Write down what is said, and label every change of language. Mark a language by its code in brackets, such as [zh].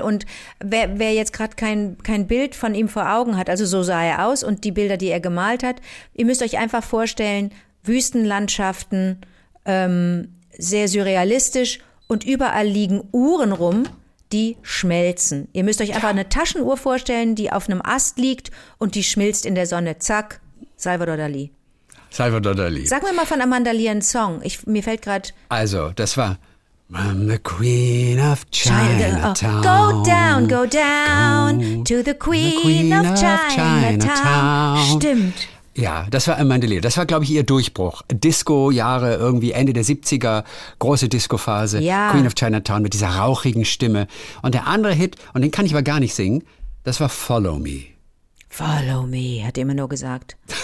[de] Und wer jetzt gerade kein Bild von ihm vor Augen hat, also so sah er aus und die Bilder, die er gemalt hat, ihr müsst euch einfach vorstellen, Wüstenlandschaften, sehr surrealistisch und überall liegen Uhren rum, die schmelzen. Ihr müsst euch einfach eine Taschenuhr vorstellen, die auf einem Ast liegt und die schmilzt in der Sonne. Zack, Salvador Dalí. Salvador Dalí. Sag mir mal von Amanda Lear einen Song. Mir fällt gerade... Also, das war... [en] I'm the queen of Chinatown. Go down, go down to the queen of Chinatown. [de] Stimmt. Ja, das war Amanda Lear. Das war, glaube ich, ihr Durchbruch. Disco-Jahre, irgendwie Ende der 70er, große Disco-Phase. Ja. Queen of Chinatown mit dieser rauchigen Stimme. Und der andere Hit, und den kann ich aber gar nicht singen, das war Follow Me. Follow Me, hat immer nur gesagt.